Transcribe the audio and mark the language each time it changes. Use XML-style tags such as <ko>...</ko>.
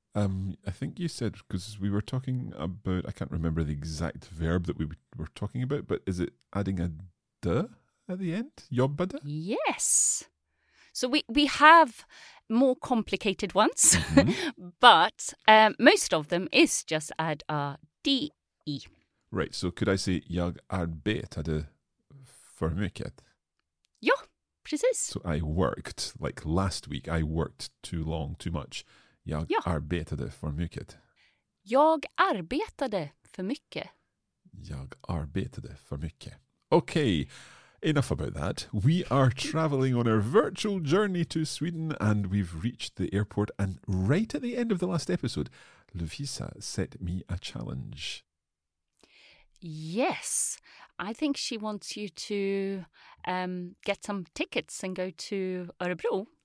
<en>I think you said, because we were talking about, I can't remember the exact verb that we were talking about, but is it adding a D at the end?</en> <sv>Jobbade?</sv> <en>Yes. So we have more complicated ones, mm-hmm. but most of them is just add a D-E. Right, so could I say</en> <sv>jag arbetade för mycket? Ja, precis.</sv> <en>So I worked, like last week, I worked too long, too much.</en> <sv>Jag arbetade för mycket. Jag arbetade för mycket. Jag arbetade för mycket.</sv> <en>Okay. Enough about that. We are traveling on our virtual journey to Sweden and we've reached the airport. And right at the end of the last episode, Lovisa set me a challenge. Yes, I think she wants you to get some tickets and go to Örebro.</en>